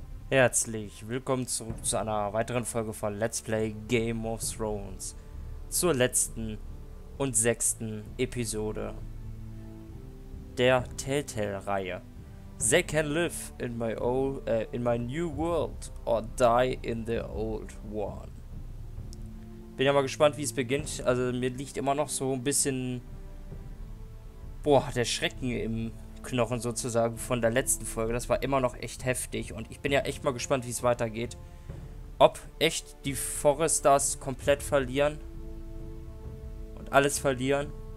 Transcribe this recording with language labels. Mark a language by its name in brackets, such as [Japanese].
[German] Herzlich willkommen zurück zu einer weiteren Folge von Let's Play Game of Thrones. Zur letzten und sechsten Episode der Telltale-Reihe. [English] They can live in my old, in my new world or die in the old one. [German] Bin ja mal gespannt, wie es beginnt. Also mir liegt immer noch so ein bisschen, boah, der Schrecken im Knochen sozusagen von der letzten Folge. Das war immer noch echt heftig und ich bin ja echt mal gespannt, wie es weitergeht. Ob echt die Forresters komplett verlieren und alles verlieren.